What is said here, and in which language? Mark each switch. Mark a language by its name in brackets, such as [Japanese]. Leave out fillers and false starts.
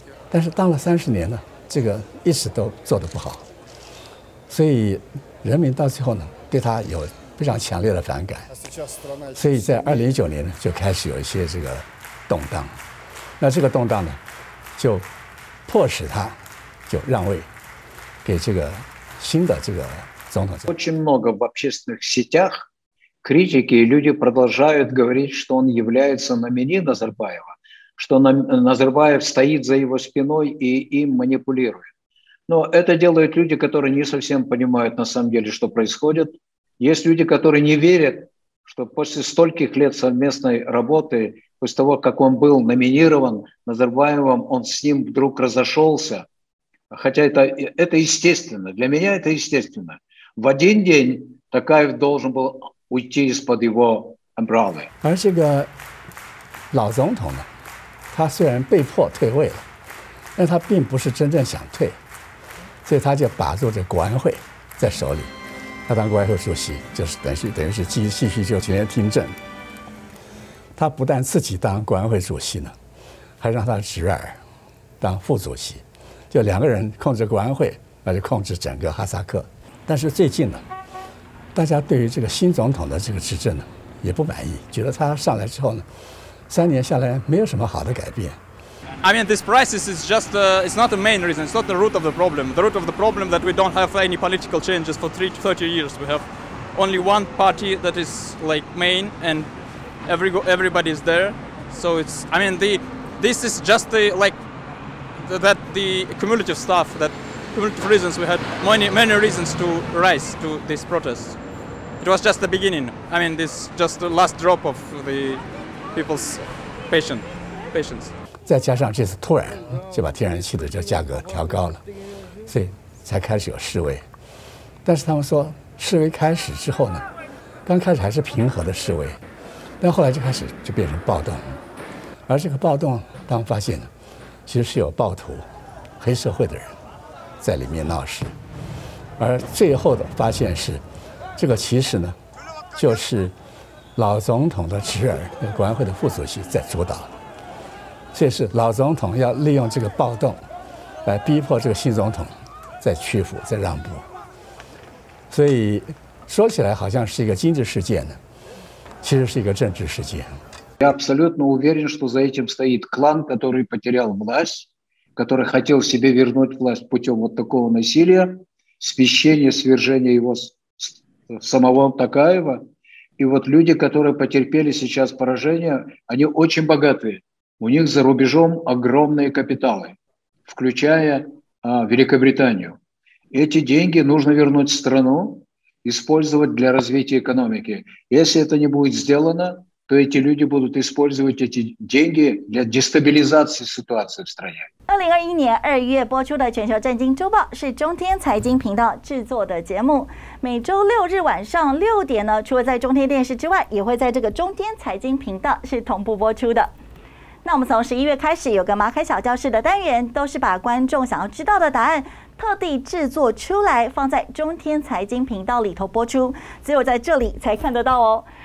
[Chinese] 但是当了30年呢，这个一直都做得不好，所以人民到最后呢，对他有非常强烈的反感，所以在2019年就开始有一些这个动荡。那这个动荡呢，就迫使他就让位给这个新的这个总统。 [Russian] Очень много в общественных сетях критики, люди продолжают говорить, что он является номини Назарбаева, что Назарбаев стоит за его спиной и им манипулирует. Но это делают люди, которые не совсем понимают на самом деле, что происходит. Есть люди, которые не верят, что после стольких лет совместной работы после того, как он был номинирован Назарбаевым, он с ним вдруг разошелся. Хотя это естественно. Для меня это естественно. В один день Токаев должен был уйти из-под его амбралы. [Chinese] 而这个老总统呢，他虽然被迫退位了，但他并不是真正想退，所以他就把住这国安会在手里。他当国安会主席，就是等于是继续就全员听证。他不但自己当国安会主席呢，还让他的侄儿当副主席，就两个人控制国安会，那就控制整个哈萨克。但是最近呢，大家对于这个新总统的这个执政呢也不满意，觉得他上来之后呢，三年下来没有什么好的改变。 [English] I mean, this crisis is just, it's not the main reason, it's not the root of the problem. The root of the problem that we don't have any political changes for 30 years. We have only one party that is like main and everybody is there. So it's, I mean, this is just the, like, that the cumulative stuff, that cumulative reasons we had many reasons to rise to this protest. It was just the beginning. I mean, this just the last drop of the people's patience. [Chinese] 再加上这次突然就把天然气的这价格调高了，所以才开始有示威。但是他们说示威开始之后呢，刚开始还是平和的示威，但后来就开始就变成暴动。而这个暴动他们发现呢，其实是有暴徒黑社会的人在里面闹事。而最后的发现是，这个其实呢就是老总统的侄儿国安会的副主席在主导，这是老总统要利用这个暴动来逼迫这个新总统再屈服再让步。所以说起来好像是一个经济事件呢，其实是一个政治事件。 [Russian] Я абсолютно уверен, что за этим стоит клан, который потерял власть, который хотел себе вернуть власть путем вот такого насилия, смещения, свержения его самого Токаева. И вот люди, которые потерпели сейчас поражение, они очень богатые. У них за рубежом огромные капиталы, включая Великобританию. Эти деньги нужно вернуть в страну, использовать для развития экономики. Если это не будет сделано, то эти люди будут использовать эти деньги для дестабилизации ситуации в стране. [Chinese] 2021年2月播出的《全球政经周报》是中天财经频道制作的节目，每周六日晚上六点呢，除了在中天电视之外，也会在这个中天财经频道是同步播出的。那我们从11月开始有个马凯小教室的单元，都是把观众想要知道的答案特地制作出来放在中天财经频道里头播出，只有在这里才看得到哦。